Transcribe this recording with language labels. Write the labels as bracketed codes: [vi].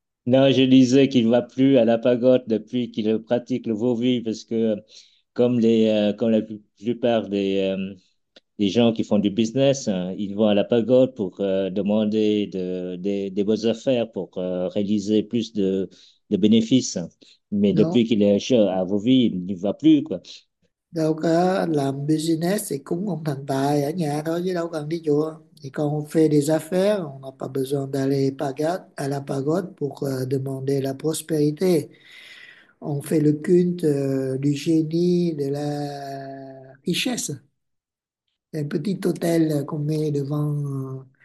[fr] Non, je disais qu'il ne va plus à la pagode depuis qu'il pratique le Vovi, parce que comme la plupart des gens qui font du business, hein, ils vont à la pagode pour demander des bonnes affaires, pour réaliser plus de bénéfices. Mais Non. depuis qu'il est à Vovi, il ne va plus, quoi. [vi] Đâu có làm business thì cúng ông thần tài ở nhà thôi chứ đâu cần đi chùa. [fr] Thì quand on fait des affaires, on n'a pas besoin d'aller à la pagode pour demander la prospérité. On fait le culte du génie, de la richesse. Un petit autel qu'on met devant